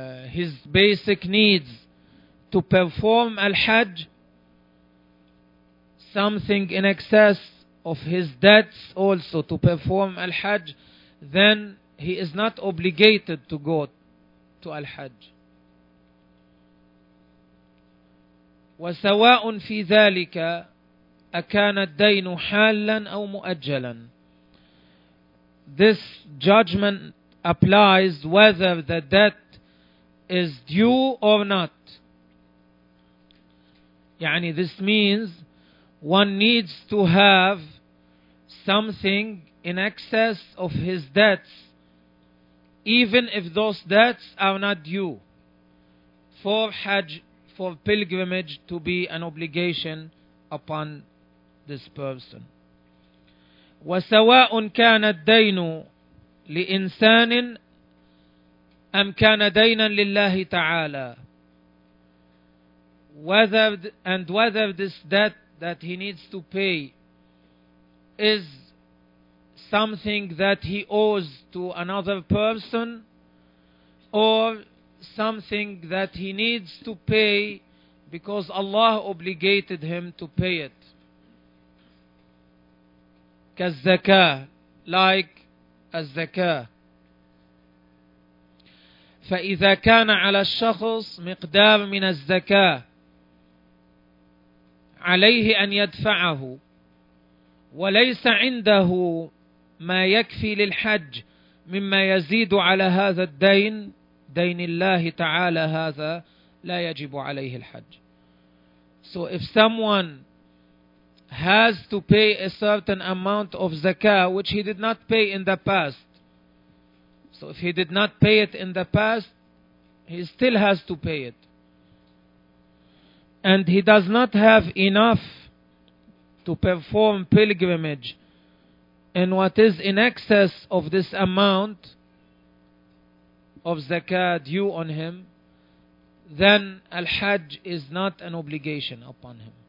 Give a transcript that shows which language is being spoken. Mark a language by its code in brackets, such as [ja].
[en] his basic needs to perform al-hajj, something in excess of his debts also to perform al-hajj, then he is not obligated to go to al-hajj. [ar] وسواء في ذلك أكان الدين حالا أو مؤجلا. [en] This judgment applies whether the debt is due or not. [ar] يعني [en] this means one needs to have something in excess of his debts even if those debts are not due for Hajj, for pilgrimage to be an obligation upon this person. [ar] وسواء كان الدين لإنسان أم كان دينا لله تعالى. [en] Whether this debt that he needs to pay is something that he owes to another person or something that he needs to pay because Allah obligated him to pay it. [ar] كالزكاه, [en] like [ar] الزكاه. فإذا كان على الشخص مقدار من الزكاه عليه أن يدفعه وليس عنده ما يكفي للحج مما يزيد على هذا الدين, دين الله تعالى هذا لا يجب عليه الحج. [en] So if someone has to pay a certain amount of zakah which he did not pay in the past, so if he did not pay it in the past, he still has to pay it. And he does not have enough to perform pilgrimage in what is in excess of this amount of zakah due on him, then al-hajj is not an obligation upon him.